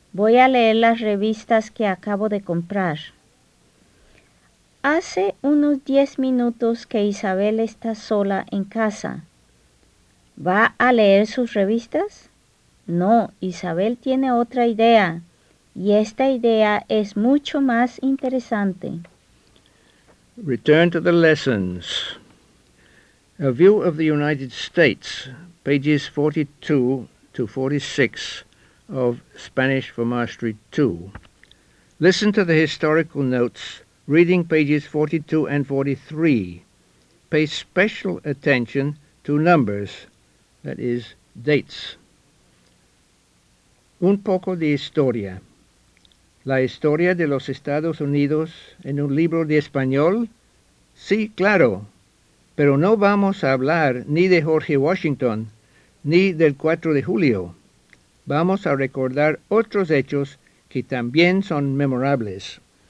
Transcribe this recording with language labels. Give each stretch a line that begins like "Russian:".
Spanish: Voy a leer las revistas que acabo de comprar. Hace unos 10 minutos que Isabel está sola en casa. ¿Va a leer sus revistas? No, Isabel tiene otra idea. Y esta idea es mucho más interesante.
English: Return to the lessons. A View of the United States, pages 42 to 46 of Spanish for Mastery 2. Listen to the historical notes, reading pages 42 and 43. Pay special attention to numbers, that is, dates.
Spanish: Un poco de historia. ¿La historia de los Estados Unidos en un libro de español? Sí, claro. Pero no vamos a hablar ni de George Washington ni del 4 de julio. Vamos a recordar otros hechos que también son memorables.